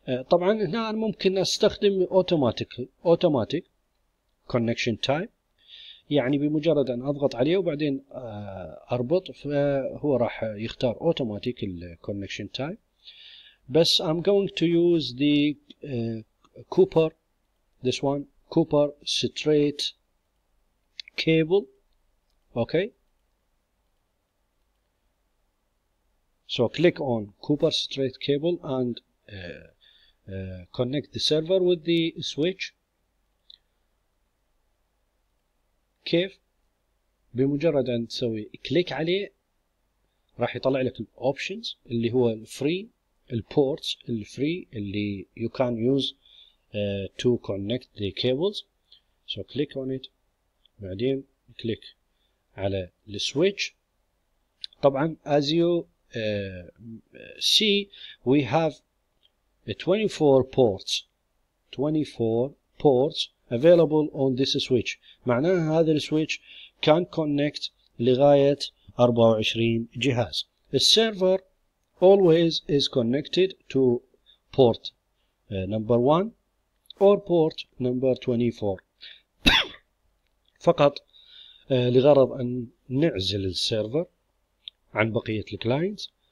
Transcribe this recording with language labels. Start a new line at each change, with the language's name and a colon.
Arabic: طبعا هنا ممكن استخدم automatic connection type. يعني بمجرد ان اضغط عليه وبعدين اربط فهو راح يختار اوتوماتيك الكونكشن تايب.
English: بس I'm going to use the Cooper, this one Cooper straight cable. Okay, so click on Cooper straight cable and connect the server with the switch.
Arabic: كيف بمجرد ان تسوي كليك عليه راح يطلع لك الاوبشنز اللي هو الفري البورتس الفري اللي
English: You can use to connect the cables. So click on it
Arabic: بعدين كليك على السويتش.
English: طبعا as you see we have 24 ports available on this switch.
Arabic: معناها هذا السويتش كان كونكت لغاية 24 جهاز.
English: السيرفر always is connected to port number 1 or port number 24
Arabic: فقط لغرض أن نعزل السيرفر عن بقية الكلاينتس.